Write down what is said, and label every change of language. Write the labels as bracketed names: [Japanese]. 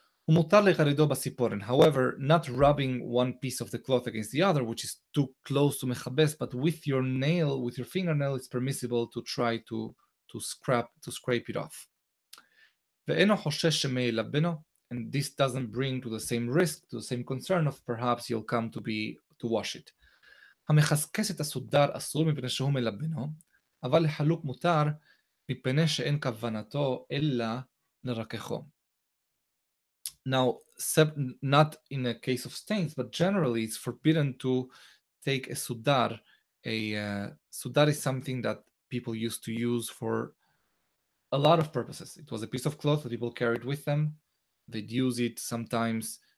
[Hebrew] Umutar lecharido basiporin. [English] However, not rubbing one piece of the cloth against the other, which is too close to mechabes, but with your nail, with your fingernail, it's permissible to try to scrape it off. [Hebrew] Ve'eno choshesh shemei labeno, [English] and this doesn't bring to the same risk, to the same concern of perhaps you'll come to wash it. [Hebrew] המחזקס את הסודר אסור מפני שהוא מלבנו, אבל לחלוק מותר מפני שאין כוונתו אלא לרקחו. [English] Now, not in a case of stains, but generally it's forbidden to take a sudar. A sudar is something that people used to use for a lot of purposes. It was a piece of cloth that people carried with them. They'd use it sometimes.